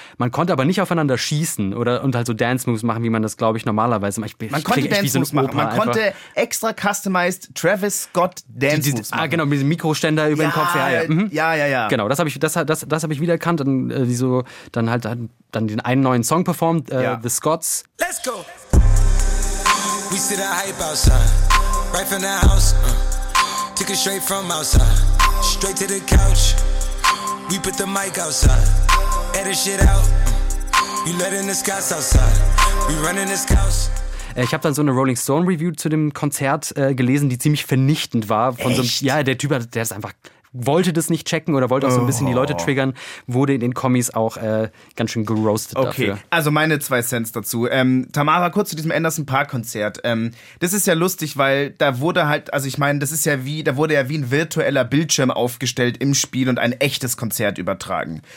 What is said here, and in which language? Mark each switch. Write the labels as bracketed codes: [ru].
[de] Man konnte aber nicht aufeinander schießen und halt so Dance-Moves machen, wie man das, glaube ich, normalerweise macht. Man konnte extra customized Travis Scott Dance-Moves machen. Ah, genau, mit diesem Mikroständer über den Kopf. Ja. Genau, das hab ich wiedererkannt. Und die so dann halt dann den einen neuen Song performt, The Scots. [en] Let's go! We see the hype outside, right from the house, took it straight from outside, straight to the couch, we put the mic outside, edit shit out, you letting the scouts outside, we running the scouts. [de] Ich habe dann so eine Rolling Stone Review zu dem Konzert gelesen, die ziemlich vernichtend war. Von so einem, ja, der Typ, der ist einfach... wollte das nicht checken oder wollte auch so ein bisschen die Leute triggern, wurde in den Kommis auch ganz schön geroastet dafür. Okay, also meine 2 Cents dazu. Tamara, kurz zu diesem Anderson Park Konzert. Das ist ja lustig, weil da wurde halt, also ich meine, das ist ja wie, da wurde ja wie ein virtueller Bildschirm aufgestellt im Spiel und ein echtes Konzert übertragen.